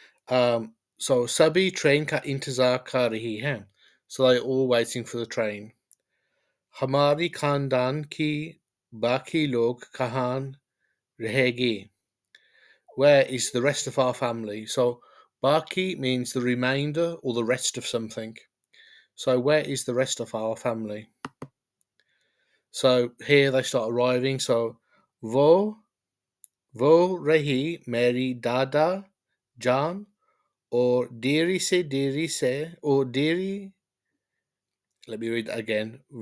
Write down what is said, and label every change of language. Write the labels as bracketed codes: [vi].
[hi] So सभी train का इंतजार कर रही है. [en] So they're all waiting for the train. [hi] हमारी खानदान की बाकी लोग कहाँ रहेगी? [en] Where is the rest of our family? So baki means the remainder or the rest of something. So where is the rest of our family? So here they start arriving. [hi] So wo rahi meri dada jaan, or deri se, [en] let me read that again.